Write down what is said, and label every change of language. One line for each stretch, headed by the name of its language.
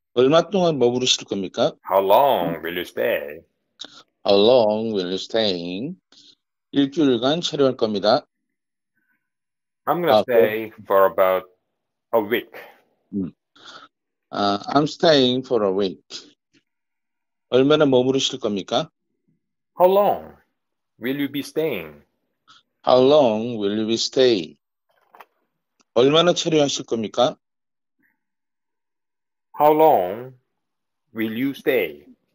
Korean: 얼마 동안 머무르실 겁니까?
English: How long will you stay? How long will you stay?
Korean: 일주일간 체류할 겁니다.
English: I'm going to stay for about a week. I'm staying for a week.
Korean: 얼마나 머무르실 겁니까?
English: How long will you be staying? How long will you be staying?
Korean: 얼마나 체류하실 겁니까?
English: How long will you stay?